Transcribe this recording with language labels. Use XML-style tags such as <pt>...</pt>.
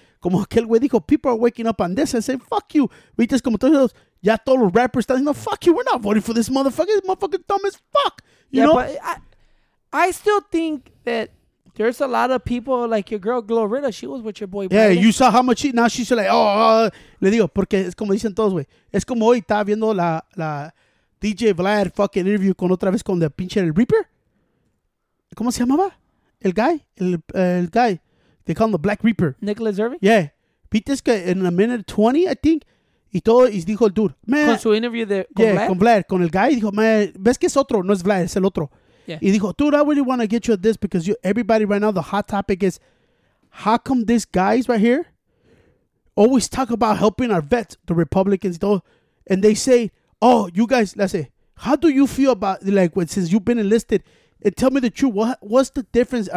<es>Como aquel güey dijo,</es> <en>people are waking up on this and saying, fuck you. We just</en> <es>como todos, ya todos los rappers están diciendo,</es> <en>fuck you, we're not voting for this motherfucker. This motherfucker dumb as fuck. You know? I still think that there's a lot of people like your girl Glorilla. She was with your boy. Yeah, Brandon. You saw how much now she's like, oh,</en> <es>le digo, porque es como dicen todos, güey. Es como hoy estaba viendo la DJ Vlad fucking interview con otra vez con el pinche el Reaper. ¿Cómo se llamaba? El guy. El guy.</es> <en>They call him the Black Reaper. Nicholas Irving?</en> <es>Yeah. Viste que en</es> <en>a minute 20, I think.</en> <es>Y todo, y dijo el dude, man. Con su interview de Vlad? Con Vlad, con el guy. Dijo, man, ves que es otro, no es Vlad, es el otro.</es> <en>Yeah.</en> <es>Y dijo,</es> <en>dude, I really want to get you at this because everybody right now, the hot topic is, how come these guys right here always talk about helping our vets, the Republicans, though, and they say, oh, you guys, let's say, how do you feel about, like, when, since you've been enlisted, and tell me the truth, what's the difference?</en>